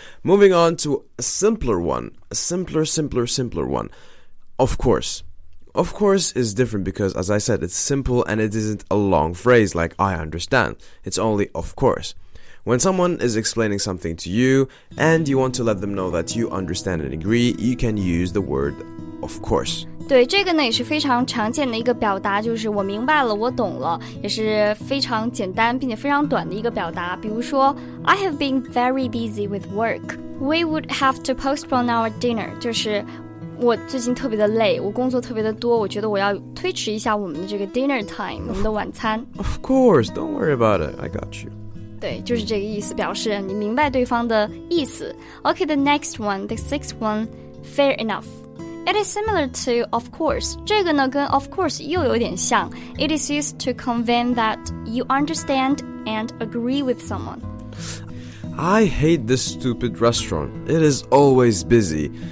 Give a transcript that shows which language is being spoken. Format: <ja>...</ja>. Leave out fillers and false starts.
<en>Moving on to a simpler one. A simpler, simpler, simpler one. Of course. Of course is different because, as I said, it's simple and it isn't a long phrase like I understand. It's only of course. When someone is explaining something to you and you want to let them know that you understand and agree, you can use the word of course.</en> <zh>对，这个呢也是非常常见的一个表达，就是我明白了，我懂了，也是非常简单并且非常短的一个表达。比如说</zh> <en>I have been very busy with work. We would have to postpone our dinner.</en> <zh>就是我最近特别的累，我工作特别的多，我觉得我要推迟一下我们的这个 dinner time, 我们的晚餐。</zh> <en>Of course, don't worry about it. I got you.</en> <zh>对，就是这个意思，表示你明白对方的意思。</zh> <en>Okay, the next one, the sixth one, fair enough. It is similar to of course.</en> <zh>这个呢跟</zh> <en>of course</en> <zh>又有点像。</zh> <en>It is used to convey that you understand and agree with someone. I hate this stupid restaurant. It is always busy.</en>